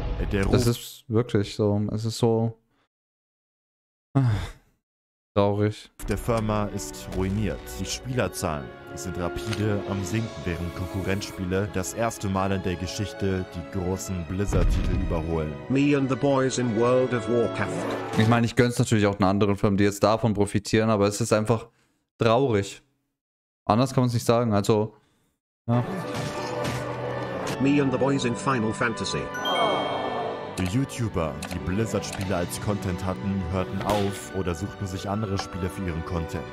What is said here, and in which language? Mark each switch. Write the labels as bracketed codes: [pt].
[de] Das ist wirklich so, es ist so traurig. Der Firma ist ruiniert. Die Spielerzahlen sind rapide am Sinken, während Konkurrenzspiele das erste Mal in der Geschichte die großen Blizzard-Titel überholen. [en] Me and the boys in World of Warcraft. [de] Ich meine, ich gönne es natürlich auch den anderen Firmen, die jetzt davon profitieren, aber es ist einfach traurig. Anders kann man es nicht sagen, also, ja. [en] Me and the boys in Final Fantasy. [de] Die YouTuber, die Blizzard-Spiele als Content hatten, hörten auf oder suchten sich andere Spiele für ihren Content.